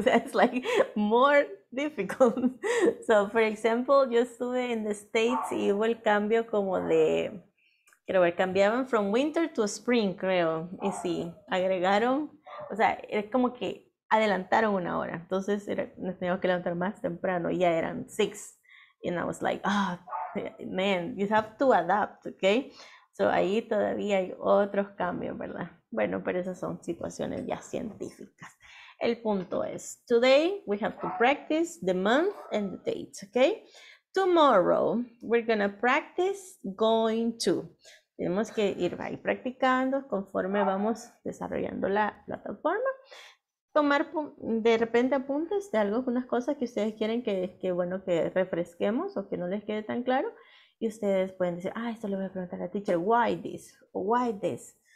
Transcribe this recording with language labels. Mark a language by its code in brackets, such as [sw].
[es] O sea, [en] it's like more difficult. So, for example, [es] yo estuve en [en] the States [es] y hubo el cambio como de, quiero ver, cambiaban [en] from winter to spring, [es] creo. Y sí, agregaron, o sea, es como que adelantaron una hora. Entonces, nos teníamos que levantar más temprano y ya eran 6. [en] And I was like, oh, man, you have to adapt, okay? [es] So, ahí todavía hay otros cambios, ¿verdad? Bueno, pero esas son situaciones ya científicas. El punto es, [en] today we have to practice the month and the date, okay? Tomorrow we're gonna practice going to. [es] Tenemos que ir ahí practicando conforme vamos desarrollando la plataforma. Tomar de repente apuntes de algunas cosas que ustedes quieren que refresquemos o que no les quede tan claro. Y ustedes pueden decir, ah, esto le voy a preguntar a la teacher, [en] why this?